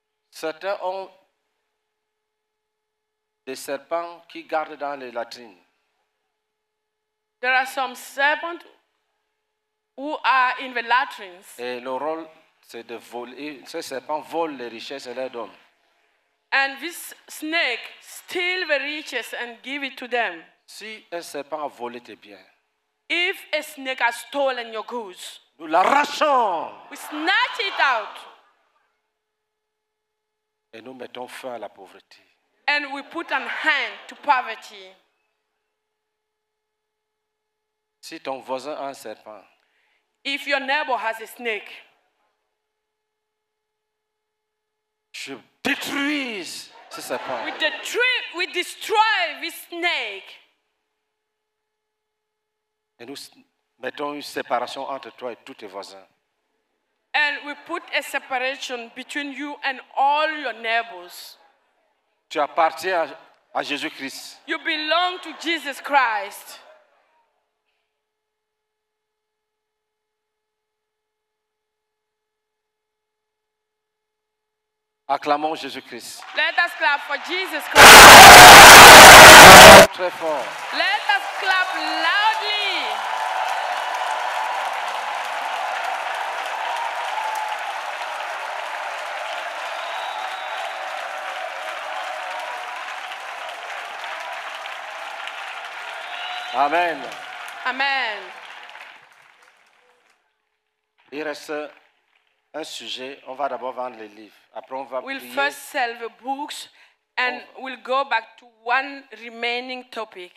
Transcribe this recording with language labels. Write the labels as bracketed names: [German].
[French] Certains ont des serpents qui gardent dans les latrines. [English] There are some serpents who are in the latrines. [French] Et leur rôle c'est de voler. Ces serpents volent les richesses et les donnent. [English] And this snake steals the riches and gives it to them. [French] Si un serpent a volé tes biens, [English] if a snake has stolen your goods, [French] nous l'arrachons. [English] We snatch it out. [French] Et nous mettons fin à la pauvreté. [English] And we put an end to poverty. [French] Si ton voisin a un serpent, [English] if your neighbor has a snake, [French] je détruis ce serpent. [English] We destroy this snake. [French] Et nous mettons une séparation entre toi et tous tes voisins. [English] And we put a separation between you and all your neighbors. [French] Tu appartiens à Jésus-Christ. [English] You belong to Jesus Christ. [French] Acclamons Jésus-Christ. [English] Let us clap for Jesus Christ. [French] Très fort. [English] Let us clap loudly. Amen. Amen. [French] Il reste un sujet, on va d'abord vendre les livres. Après, on va [English] we'll [French] prier. [English] First sell the books and we'll go back to one remaining topic.